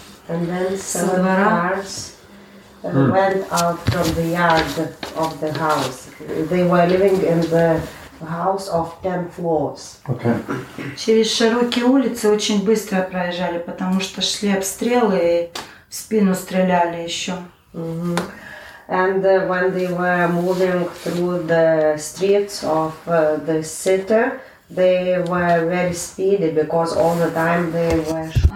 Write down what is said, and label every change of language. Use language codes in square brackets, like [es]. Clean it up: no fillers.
[en] And then several cars went out from the yard of the house. They were living in the house of 10 floors. Okay. [ru] Через широкие улицы очень быстро проезжали, потому что шли обстрелы и в спину стреляли еще. [en] And when they were moving through the streets of the city, they were very speedy because all the time they were.